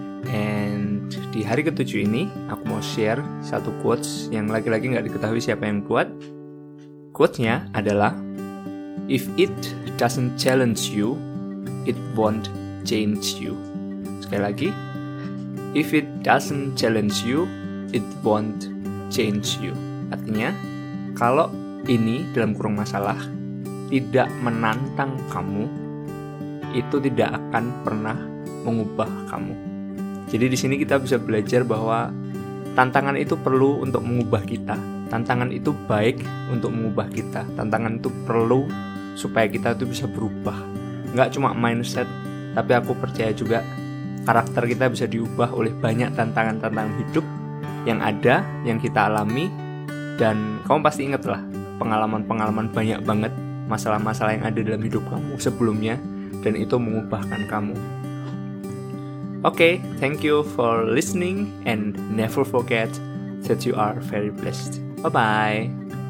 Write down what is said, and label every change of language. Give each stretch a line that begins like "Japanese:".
Indonesian: And di hari ke-7 ini, aku mau share satu quotes yang lagi-lagi gak diketahui siapa yang buat. Quotesnya adalah,
English: "If it doesn't challenge you, it won't change you."
Indonesian: Sekali lagi,
English: "If it doesn't challenge you, it won't change you."
Indonesian: Artinya, kalau ini dalam kurung masalah tidak menantang kamu, itu tidak akan pernah mengubah kamu. Jadi di sini kita bisa belajar bahwa tantangan itu perlu untuk mengubah kita. Tantangan itu baik untuk mengubah kita. Tantangan itu perlu supaya kita itu bisa berubah. Nggak cuma mindset, tapi aku percaya juga karakter kita bisa diubah oleh banyak tantangan-tantangan hidup yang ada, yang kita alami. Dan kamu pasti ingat lah, pengalaman-pengalaman banyak banget masalah-masalah yang ada dalam hidup kamu sebelumnya, dan itu mengubahkan kamu.
English: Okay, thank you for listening, and never forget that you are very blessed. Bye-bye.